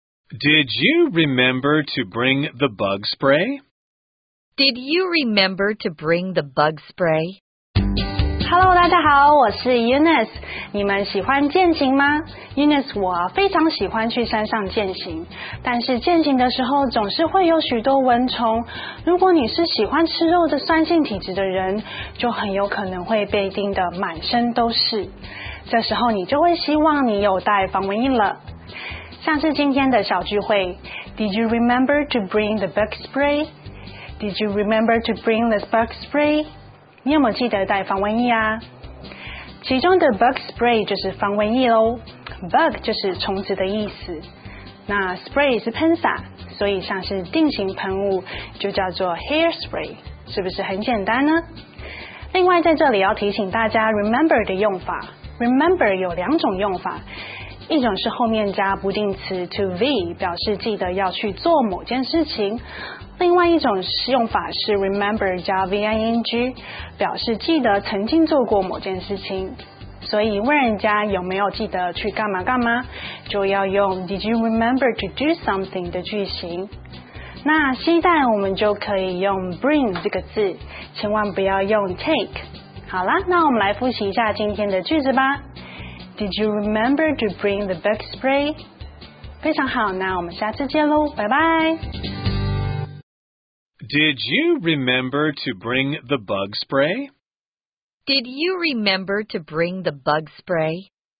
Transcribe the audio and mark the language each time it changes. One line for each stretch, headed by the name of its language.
English: Did you remember to bring the bug spray? Did you remember to bring the bug spray? Hello,
Chinese: 大家好，我是 Eunice。你们喜欢健行吗 ？Eunice， 我非常喜欢去山上健行，但是健行的时候总是会有许多蚊虫。如果你是喜欢吃肉的酸性体质的人，就很有可能会被叮得满身都是。这时候你就会希望你有带防蚊液了。像是今天的小聚会
English: ，Did you remember to bring the bug spray？ Did you remember to bring the bug spray？
Chinese: 你有没有记得带防蚊液啊？其中的 bug spray 就是防蚊液咯。bug 就是虫子的意思，那 spray 是喷洒，所以像是定型喷雾就叫做 hair spray， 是不是很简单呢？另外在这里要提醒大家 remember 的用法， remember 有两种用法，一种是后面加不定词 to be， 表示记得要去做某件事情，另外一种用法是 remember 加 ving， 表示记得曾经做过某件事情。所以问人家有没有记得去干嘛干嘛，就要用
English: did you remember to do something
Chinese: 的句型。那携带我们就可以用 bring 这个字，千万不要用 take。好啦，那我们来复习一下今天的句子吧。
English: Did you remember to bring the bug spray？
Chinese: 非常好，那我们下次见喽，拜拜。
English: Did you remember to bring the bug spray? Did you remember to bring the bug spray?